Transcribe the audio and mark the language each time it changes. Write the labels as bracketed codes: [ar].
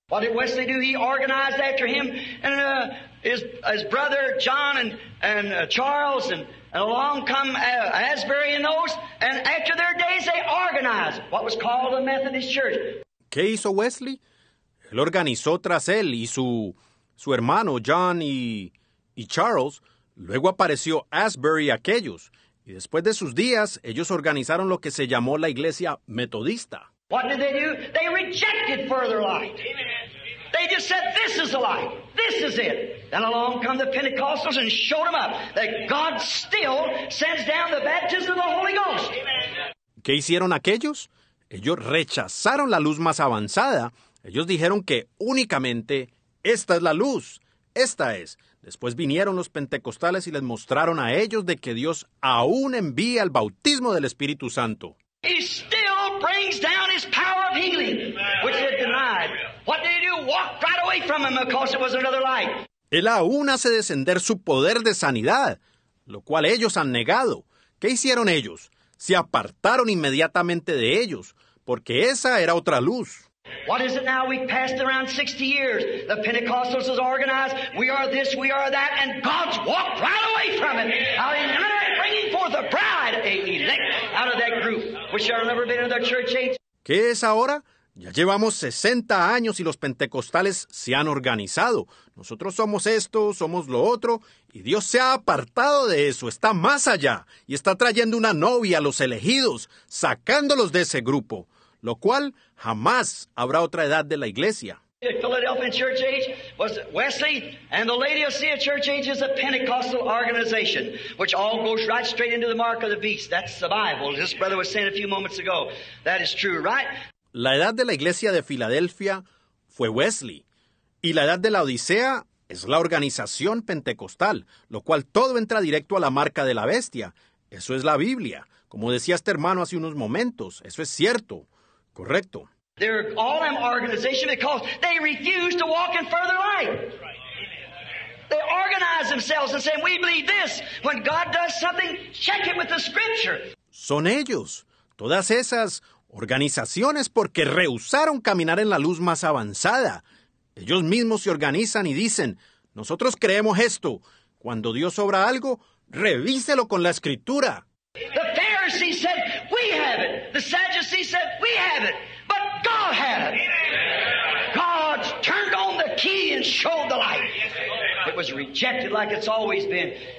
[en] What did Wesley do? He organized after him and his brother John and Charles and along come Asbury and those. And after their days, they organized what was called the Methodist Church. [es] ¿Qué hizo Wesley? Él organizó tras él y su hermano John y Charles. Luego apareció Asbury y aquellos. Y después de sus días, ellos organizaron lo que se llamó la iglesia metodista. [en] What did they do? They rejected further light. They just said, this is the light. This is it. Then along come the Pentecostals and showed them up that God still sends down the baptism of the Holy Ghost. [es] ¿Qué hicieron aquellos? Ellos rechazaron la luz más avanzada. Ellos dijeron que únicamente esta es la luz. Esta es. Después vinieron los pentecostales y les mostraron a ellos de que Dios aún envía el bautismo del Espíritu Santo. [en] He still brings down his power of healing, which is denied. What did he do? Walked right away from him because it was another light. [es] Él aún hace descender su poder de sanidad, lo cual ellos han negado. ¿Qué hicieron ellos? Se apartaron inmediatamente de ellos, porque esa era otra luz. [en] What is it now? We've passed around 60 years. The Pentecostals is organized. We are this, we are that, and God's walked right away from it. How he literally bringing forth a bride, a elect, out of that group, which shall never be another church age. [es] ¿Qué es ahora? Ya llevamos 60 años y los pentecostales se han organizado. Nosotros somos esto, somos lo otro, y Dios se ha apartado de eso, está más allá, y está trayendo una novia a los elegidos, sacándolos de ese grupo, lo cual jamás habrá otra edad de la iglesia. [en] The Philadelphia Church Age was Wesley, and the Laodicea Church Age is a Pentecostal organization, which all goes right straight into the mark of the beast. That's the Bible, this brother was saying a few moments ago. That is true, right? [es] La edad de la iglesia de Filadelfia fue Wesley, y la edad de la Odisea es la organización pentecostal, lo cual todo entra directo a la marca de la bestia. Eso es la Biblia, como decía este hermano hace unos momentos. Eso es cierto, correcto. [en] They're all an organization because they refuse to walk in further light. They organize themselves and say, we believe this. When God does something, check it with the scripture. [es] Son ellos, todas esas organizaciones porque rehusaron caminar en la luz más avanzada. Ellos mismos se organizan y dicen, nosotros creemos esto. Cuando Dios obra algo, revíselo con la Escritura. [en] The Pharisees said, we have it. The Sadducees said, we have it. But God had it. God turned on the key and showed the light. It was rejected like it's always been.